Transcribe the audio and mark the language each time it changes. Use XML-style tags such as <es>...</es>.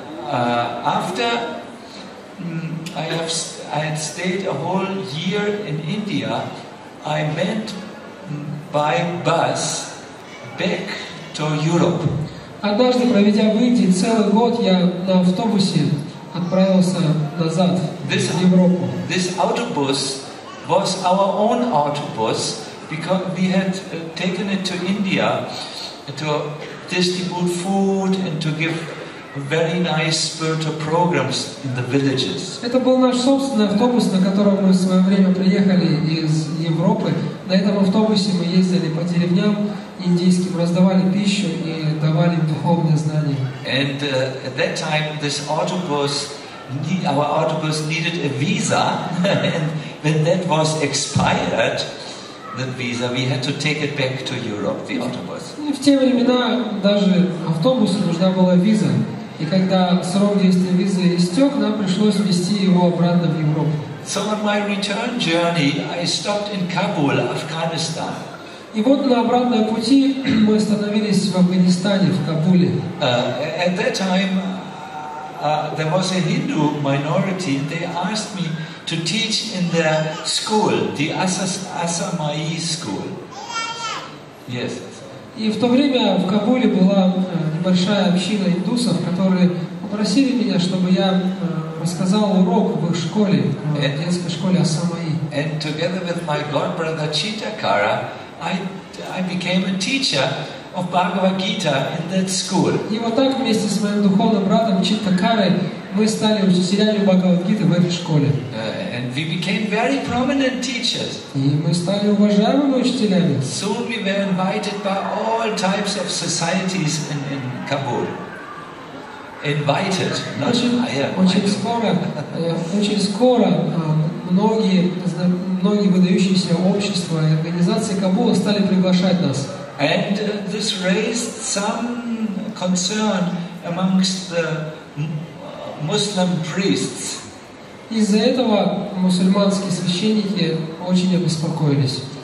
<en>After I had stayed a whole year in India, I went by bus back to Europe.</en> <ru>Однажды, проведя в Индии целый год, я на автобусе отправился назад.</ru> <en>This autobus was our own autobus because we had taken it to India to distribute food and to give very nice spiritual programs in the villages.</en> <ru>Это был наш собственный автобус, на котором мы в свое время приехали из Европы. На этом автобусе мы ездили по деревням индийским, раздавали пищу и давали духовные знания.</ru> <en>And at that time this autobus. Our autobus needed a visa, and when that was expired, the visa, we had to take it back to Europe, the autobus.</en> <ru>В те времена даже автобусу нужна была виза, и когда срок действия визы истек, нам пришлось везти его обратно в Европу.</ru> <en>So on my return journey, I stopped in Kabul, Afghanistan.</en> <ru>И вот на обратном пути мы остановились в Афганистане, в Кабуле.</ru> <en>At that time. There was a Hindu minority, and they asked me to teach in their school, the Assamai school. Yes.</en> <ru>И в то время в Кабуле была небольшая община индусов, которые попросили меня, чтобы я рассказал урок в их школе, детской школе Assamai.</ru> <en>And together with my godbrother Chitakara, I became a teacher. Of Bhagavad Gita in that school.</en> <ru>И вот так вместе с моим духовным братом Читакарой мы стали учителями Бхагавад Гиты в этой школе.</ru> <en>And we became very prominent teachers.</en> <ru>И мы стали уважаемыми учителями.</ru> <en>Soon we were invited by all types of societies in Kabul. Invited, not hired.</en> <ru>Очень скоро многие выдающиеся общества и организации Кабула стали приглашать нас.</ru> <en>And this raised some concern amongst the Muslim priests.</en> <ru>Из-за этого мусульманские священники очень обеспокоились.</ru>